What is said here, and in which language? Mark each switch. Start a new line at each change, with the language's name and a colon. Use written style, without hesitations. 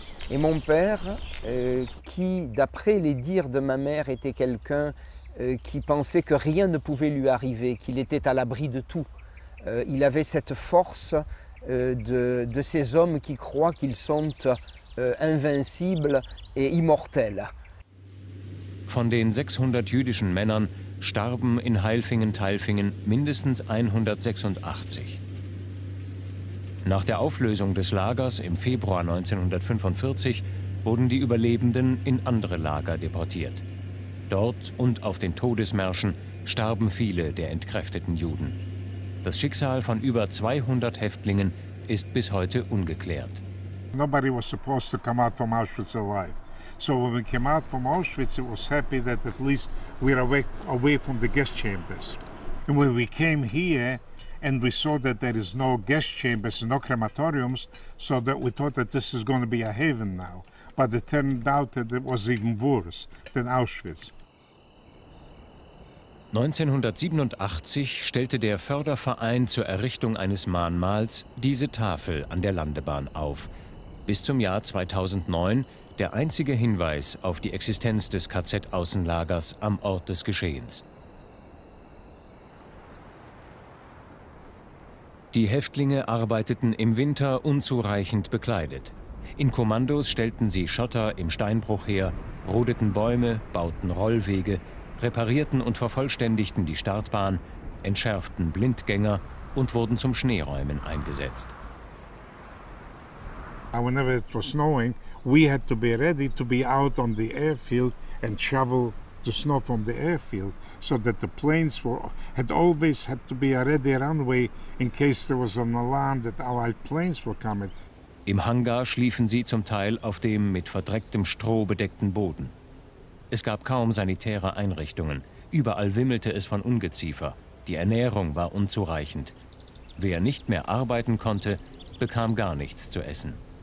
French: Et mon père, qui, d'après les dires de ma mère, était quelqu'un qui pensait que rien ne pouvait lui arriver, qu'il était à l'abri de tout. Il avait cette force de ces hommes qui croient qu'ils sont invincibles et immortels.
German: Von den 600 jüdischen Männern starben in Heilfingen-Teilfingen mindestens 186. Nach der Auflösung des Lagers im Februar 1945 wurden die Überlebenden in andere Lager deportiert. Dort und auf den Todesmärschen starben viele der entkräfteten Juden. Das Schicksal von über 200 Häftlingen ist bis heute ungeklärt.
English: Nobody was supposed to come out from Auschwitz alive. So when we came out from Auschwitz, it was happy that at least we were away from the gas chambers. And when we came here and we saw that there is no gas chambers, no crematoriums, so that we thought that this is going to be a haven now. But it turned out that it was even worse than Auschwitz.
German: 1987 stellte der Förderverein zur Errichtung eines Mahnmals diese Tafel an der Landebahn auf. Bis zum Jahr 2009 der einzige Hinweis auf die Existenz des KZ-Außenlagers am Ort des Geschehens. Die Häftlinge arbeiteten im Winter unzureichend bekleidet. In Kommandos stellten sie Schotter im Steinbruch her, rodeten Bäume, bauten Rollwege, reparierten und vervollständigten die Startbahn, entschärften Blindgänger und wurden zum Schneeräumen eingesetzt.
English: Whenever it was snowing, we had to be ready to be out on the airfield and shovel the snow from the airfield, so that the planes had always had to be a ready runway in case there was an alarm that Allied planes were coming.
German: Im Hangar schliefen sie zum Teil auf dem mit verdrecktem Stroh bedeckten Boden. Es gab kaum sanitäre Einrichtungen. Überall wimmelte es von Ungeziefer. Die Ernährung war unzureichend. Wer nicht mehr arbeiten konnte, bekam gar nichts zu essen.